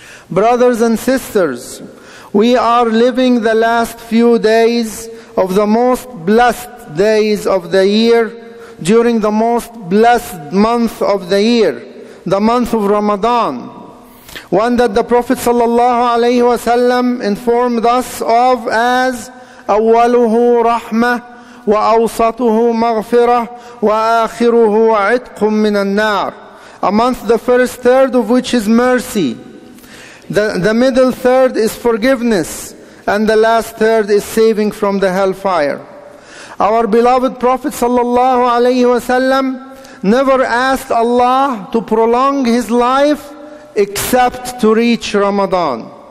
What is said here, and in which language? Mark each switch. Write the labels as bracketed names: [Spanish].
[English] Brothers and sisters, we are living the last few days of the most blessed days of the year, during the most blessed month of the year, the month of Ramadan. One that the Prophet sallallahu alaihi wasallam informed us of as [Arabic] awwaluhu rahmah وأوسطه مغفرة وآخره عتق من النار. [English] Amongst the first third of which is mercy. The middle third is forgiveness, and the last third is saving from the hellfire. Our beloved Prophet sallallahu alayhi wa sallam never asked Allah to prolong his life except to reach Ramadan.